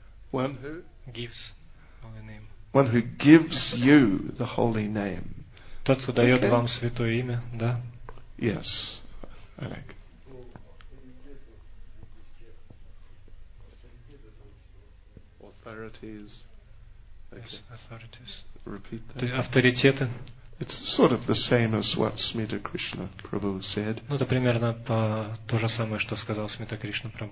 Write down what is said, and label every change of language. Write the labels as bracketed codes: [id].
[en] One who gives the holy name. One who? Gives holy name. [ru] Тот, кто дает вам святое имя, да? [en] Yes. Олег. Authorities. Yes, authorities. Repeat that. [ru] Авторитеты. [en] It's sort of the same as what Smita Krishna Prabhu said. [ru] Ну, это примерно то же самое, что сказал Смита Кришна Прабху.